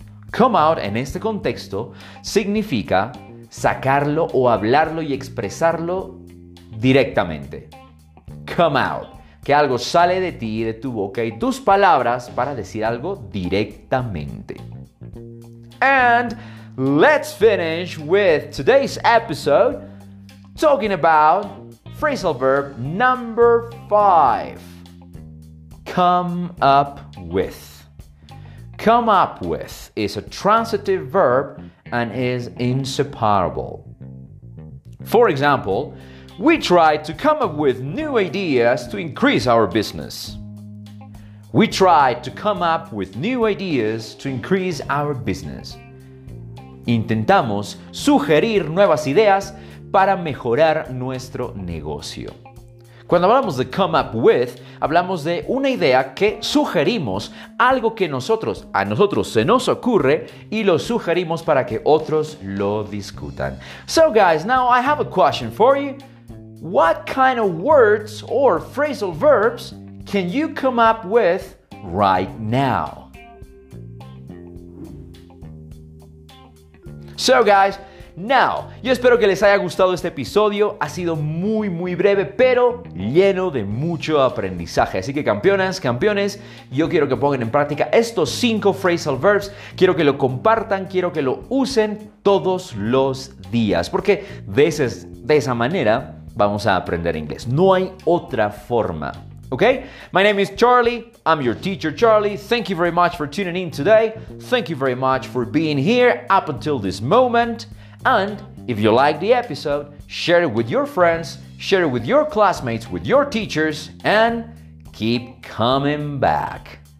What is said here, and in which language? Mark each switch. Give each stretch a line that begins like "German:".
Spanish: Come out, en este contexto, significa sacarlo o hablarlo y expresarlo directamente. Come out, que algo sale de ti, de tu boca y tus palabras para decir algo directamente.
English: And let's finish with today's episode talking about phrasal verb number five. Come up with. Come up with is a transitive verb and is inseparable. For example, we try to come up with new ideas to increase our business. We try to come up with new ideas to increase our business.
Spanish: Intentamos sugerir nuevas ideas para mejorar nuestro negocio. Cuando hablamos de come up with, hablamos de una idea que sugerimos, algo que a nosotros se nos ocurre y lo sugerimos para que otros lo discutan.
English: So guys, now I have a question for you. What kind of words or phrasal verbs can you come up with right now? So guys, now,
Spanish: yo espero que les haya gustado este episodio. Ha sido muy, muy breve, pero lleno de mucho aprendizaje. Así que campeonas, campeones, yo quiero que pongan en práctica estos 5 phrasal verbs. Quiero que lo compartan, quiero que lo usen todos los días. Porque de esa manera vamos a aprender inglés. No hay otra forma.
English: Okay? My name is Charlie. I'm your teacher, Charlie. Thank you very much for tuning in today. Thank you very much for being here up until this moment. And if you like the episode, share it with your friends, share it with your classmates, with your teachers, and keep coming back.